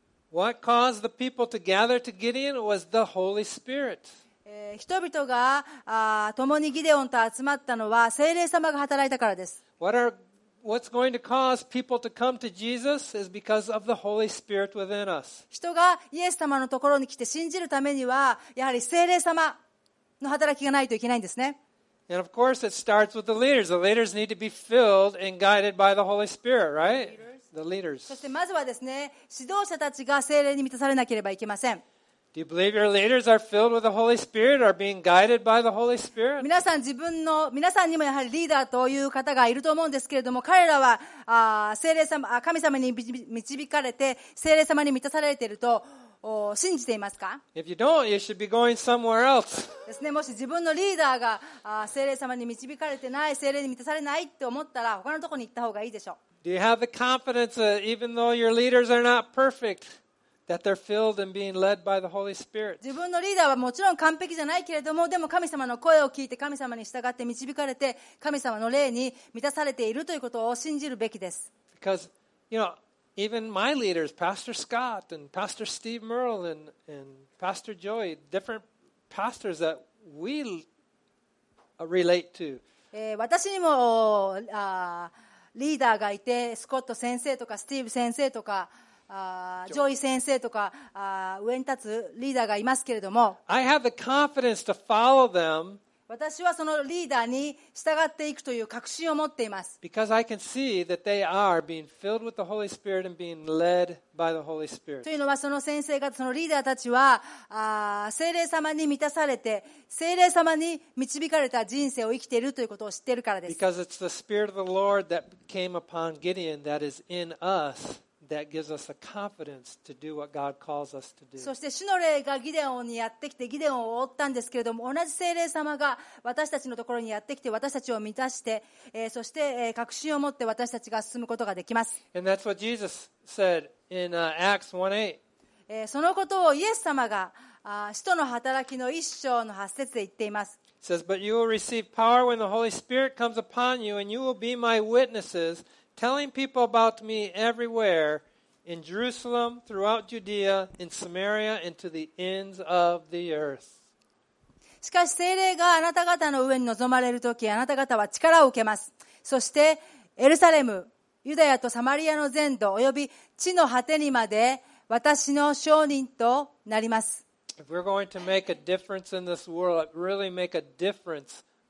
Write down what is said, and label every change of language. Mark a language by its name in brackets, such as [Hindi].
[English] What caused the people to gather to Gideon was the Holy Spirit. [Japanese] 人々が共にギデオンと集まったのは聖霊様が働いたからです。 [English] What's going to cause people to come to Jesus is because of the Holy Spirit within us. [Japanese] 人がイエス様のところに来て信じるためにはやはり聖霊様の働きがないといけないんですね。 [English] And of course it starts with the leaders. The leaders need to be filled and guided by the Holy Spirit, right? The leaders. [Japanese] そしてまずはですね、指導者たちが聖霊に満たされなければいけません。 [English] Do you believe your leaders are filled with the Holy Spirit or being guided by the Holy Spirit? [Japanese] 皆さんにもやはりリーダーという方がいると思うんですけれども、彼らは聖霊様、神様に導かれて聖霊様に満たされていると信じていますか？ [English] If you don't, you should be going somewhere else. [Japanese] ですね、もし自分のリーダーが聖霊様に導かれてない、聖霊に満たされないって思ったら、他のところに行った方がいいでしょう。 [English] Do you have the confidence that even though your leaders are not perfect, that they're filled and being led by the Holy Spirit? [Japanese] 自分のリーダーはもちろん完璧じゃないけれども、でも神様の声を聞いて神様に従って導かれて神様の霊に満たされているということを信じるべきです。 [English] Because you know. Even my leaders, Pastor Scott and Pastor Steve Merle and Pastor Joy, different pastors that we relate to. [Japanese] 私にもリーダーがいて、スコット先生とかスティーブ先生とかジョイ先生とか上に立つリーダーがいますけれども。 [English] I have the confidence to follow them. [Japanese] 私はそのリーダーに従っていくという確信を持っています。 [English] Because I can see that they are being filled with the Holy Spirit and being led by the Holy Spirit. [Japanese] というのはその先生方、そのリーダーたちは、聖霊様に満たされて、聖霊様に導かれた人生を生きているということを知っているからです。 [English] Because it's the Spirit of the Lord that came upon Gideon that is in us. That gives us the confidence to do what God calls us to do. [Japanese] そして主の霊がギデオンにやってきてギデオンを追ったんですけれども、同じ聖霊様が私たちのところにやってきて私たちを満たして、そして確信を持って私たちが進むことができます。 [English] And that's what Jesus said in Acts 1:8. [Japanese] そのことをイエス様が使徒の働きの一章の八節で言っています。 [English] It says, "But you will receive power when the Holy Spirit comes upon you, and you will be my witnesses." Telling people about me everywhere, in Jerusalem, throughout Judea, in Samaria, and to the ends of the earth. [Japanese] しかし聖霊があなた方の上に臨まれるとき、あなた方は力を受けます。そしてエルサレム、ユダヤとサマリアの全土および地の果てにまで私の証人となります。 [English] If we're going to make a difference in this world, really make a difference.